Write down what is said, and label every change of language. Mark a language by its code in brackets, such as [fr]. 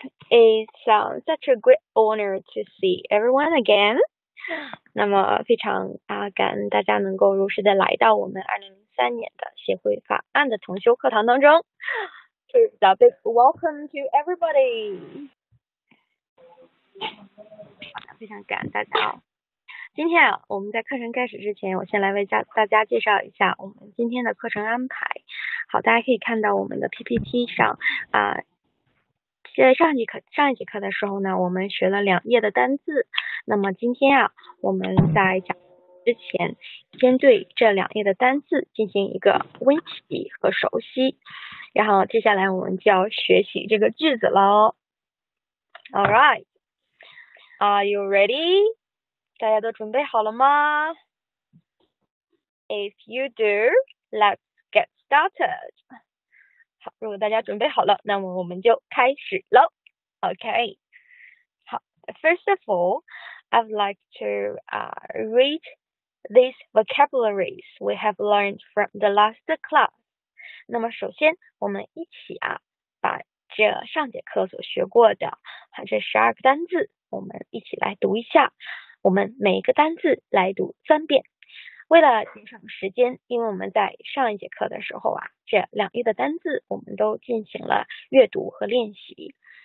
[en] It's such a great honor to see everyone again. [zh] 那么非常感恩大家能够如实的来到我们2003年的协会法案的同修课堂当中。 [en] Here's a big welcome to everybody. [zh] 非常感恩大家。今天我们在课程开始之前，我先来为大家介绍一下我们今天的课程安排。好，大家可以看到我们的 PPT 上在上一节课的时候呢，我们学了两页的单字。那么今天啊，我们在讲之前，先对这两页的单字进行一个温习和熟悉。然后接下来我们就要学习这个句子喽。 [en] All right, are you ready? [zh] 大家都准备好了吗 [en] ？If you do, let's get started. [zh] 好，如果大家准备好了，那么我们就开始喽。 [en] OK， [zh] 好 [en] ，First of all, I'd like to read these vocabularies we have learned from the last class. [zh] 那么首先，我们一起啊，把这上节课所学过的这12个单字，我们一起来读一下。我们每一个单字来读三遍。为了节省时间，因为我们在上一节课的时候啊，这两页的单字我们都进行了阅读和练习。